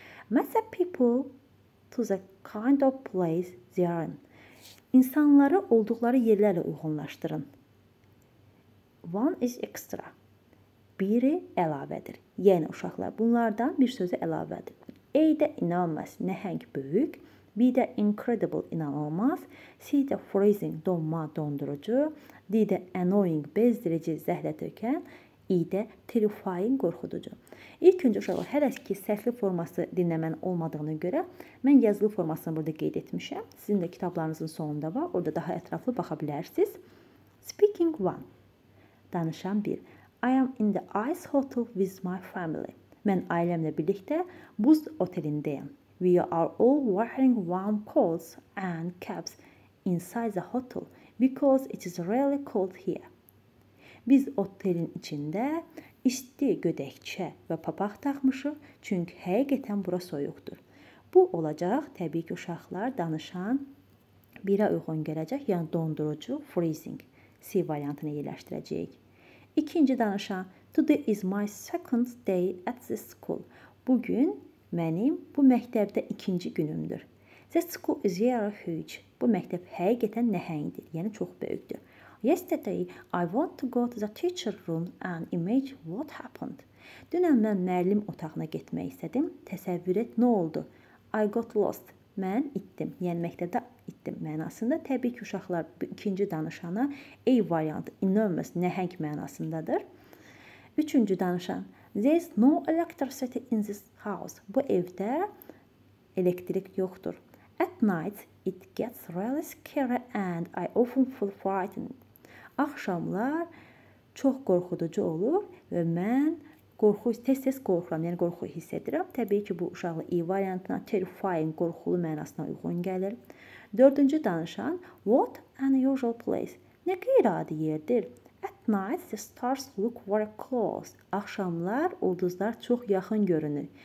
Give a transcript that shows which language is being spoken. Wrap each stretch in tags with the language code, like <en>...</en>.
<en>Mesela people to the kind of place they are in.</en> <az>İnsanları olduqları yerlərə uyğunlaşdırın.</az> <en>One is extra.</en> <az>Biri əlavədir. Yəni uşaqlar, bunlardan bir sözü əlavədir. A də inanılmaz, nəhəng böyük. B də incredible, inanılmaz. C də freezing, donma, dondurucu. D də annoying, bezdirici, zəhlətökən. İ-də terrifying qorxuducu. İlk öncə uşaqlar hər iki səsli forması dinləmənin olmadığını görə mən yazılı formasını burada qeyd etmişəm. Sizin də kitablarınızın sonunda var. Orada daha ətraflı baxa bilərsiniz.</az> <en>Speaking 1.</en> <az>Danışan 1.</az> <en>I am in the ice hotel with my family.</en> <az>Mən ailəmlə birlikdə buz otelindeyim.</az> <en>We are all wearing warm coats and caps inside the hotel because it is really cold here.</en> <az>Biz otelin içində isti gödəkçə və papaq taxmışıq, çünki həqiqətən bura soyuqdur. Bu olacaq, təbii ki, uşaqlar danışan birə uyğun gələcək, yəni dondurucu, freezing, C variantını yerləşdirəcəyik. İkinci danışan,</az> <en>today is my second day at the school.</en> <az>Bugün mənim bu məktəbdə ikinci günümdür.</az> <en>The school is very huge.</en> <az>Bu məktəb həqiqətən nəhəngdir, yəni çox böyükdür.</az> <en>Yesterday, I want to go to the teacher room and imagine what happened.</en> <az>Dünən mən müəllim otağına getmək istədim. Təsəvvür et, nə oldu?</az> <en>I got lost.</en> <az>Mən itdim. Yəni, məktəbdə itdim mənasında. Təbii ki, uşaqlar ikinci danışana A variantı, enormous, nəhəng mənasındadır. Üçüncü danışan.</az> <en>There's no electricity in this house.</en> <az>Bu evdə elektrik yoxdur.</az> <en>At night, it gets really scary and I often feel frightened.</en> <az>Axşamlar çox qorxuducu olur və mən qorxu, tez-tez qorxuram, yəni qorxu hiss edirəm. Təbii ki, bu uşaqlı E variantına terrifying, qorxulu mənasına uyğun gəlir. Dördüncü danışan,</az> <en>what an unusual place?</en> <az>Nə qeyri-adi yerdir?</az> <en>At night, the stars look very close.</en> <az>Axşamlar ulduzlar çox yaxın görünür.</az>